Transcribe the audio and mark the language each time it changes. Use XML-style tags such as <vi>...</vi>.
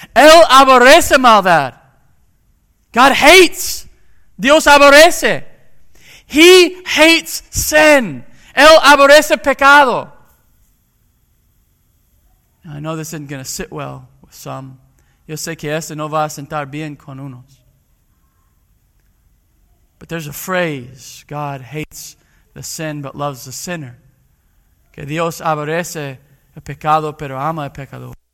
<es>Él aborrece maldad.</es> <en>God hates.</en> <es>Dios aborrece.</es> <en>He hates sin.</en> <es>Él aborrece pecado.</es> <en>I know this isn't going to sit well with some.</en> <es>Yo sé que este no va a sentar bien con unos.</es> <en>But there's a phrase, God hates the sin but loves the sinner.</en> <es>Que Dios aborrece el pecado pero ama el pecador.</es>